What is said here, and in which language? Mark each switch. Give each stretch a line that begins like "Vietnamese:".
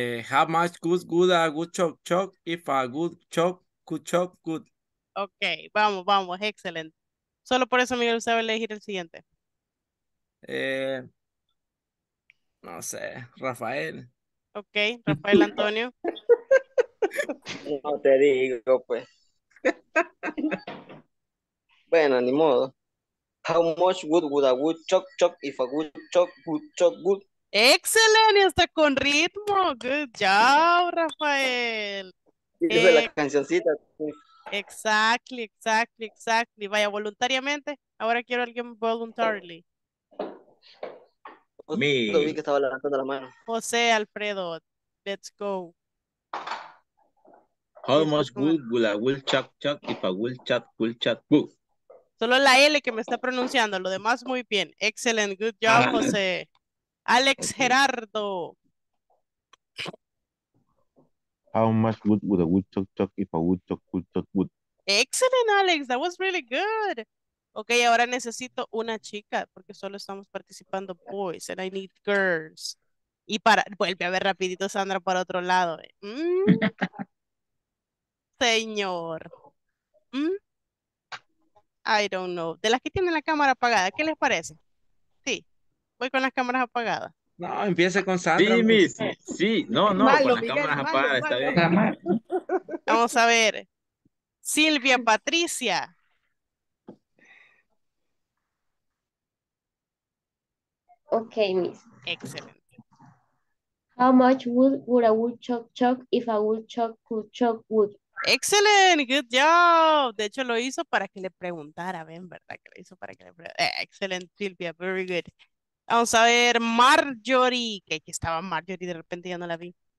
English: How much good a good chop chop if a good chop could chop good.
Spanish: Ok, vamos, excelente. Solo por eso Miguel sabe elegir el siguiente. No sé, Rafael. Ok, Rafael Antonio. No te digo, pues. Bueno, ni modo.
English: How much would a wood chop chop if a wood chop would chop wood?
Spanish: ¡Excelente! ¡Está con ritmo!
English: ¡Good job,
Spanish: Rafael! Dice la cancioncita.
English: Exactly.
Spanish: Vaya, voluntariamente. Ahora quiero a alguien voluntarily. Me. Yo vi que estaba levantando la mano.
English: José Alfredo, let's go. How much good would a woodchuck chuck if a woodchuck would?
Spanish: Solo la L que me está pronunciando, lo demás muy bien.
English: Excellent, good job, José. Alex Gerardo. How much good would a woodchuck chuck if a woodchuck would chuck wood? Excellent, Alex, that was really good. Ok,
Spanish: ahora necesito una chica, porque solo estamos participando
English: boys, and I need girls.
Spanish: Y para, vuelve a ver rapidito, Sandra, para otro lado. Señor.
English: I don't know.
Spanish: De las que tienen la cámara apagada, ¿qué les parece? Sí, voy con las cámaras apagadas. No, empiece con Sandra. Sí, Miss. Sí, no, malo, con las Miguel, cámaras malo, apagadas, malo, está bien. Malo. Vamos a ver. Silvia Patricia.
English: Ok, Miss.
Spanish: Excelente.
English: How much wood would a woodchuck chuck if a woodchuck could chuck wood? Excellent, good job.
Spanish: De hecho, lo hizo para que le preguntara, ¿ven? ¿Verdad? Que lo hizo para que le preguntara.
English: Excellent, Silvia, very good.
Spanish: Vamos a ver, Marjorie. Que aquí estaba Marjorie, de repente ya no la vi.